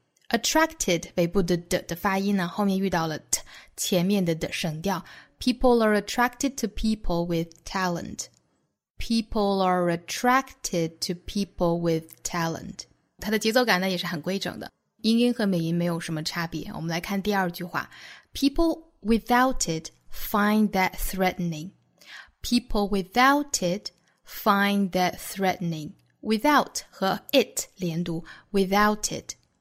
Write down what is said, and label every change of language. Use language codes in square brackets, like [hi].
[zh] Attracted, 尾部的 d 的发音呢，后面遇到了 t, 前面的 d 省掉。 [en] People are attracted to people with talent. People are attracted to people with talent. [zh] 它的节奏感呢也是很规整的。英音和美音没有什么差别。我们来看第二句话。 [en] People without it find that threatening. People without it,Find that threatening. [zh] Without 和 it 连读 Without it.